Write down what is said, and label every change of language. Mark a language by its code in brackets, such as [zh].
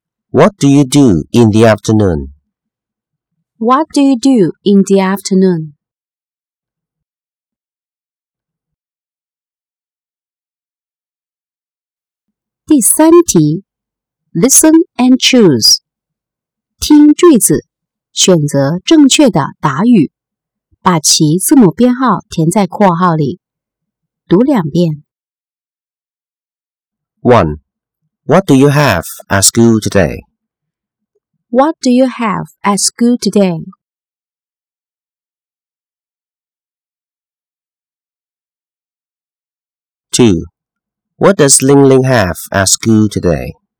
[en] What do you do in the afternoon? What do you do in the afternoon? [zh] 第三题 [en] Listen and choose. [zh] 听句子，选择正确的答语，把其字母编号填在括号里，读两遍。 1. [en] What do you have at school today? What do you have at school today? 2. What does Ling Ling have at school today?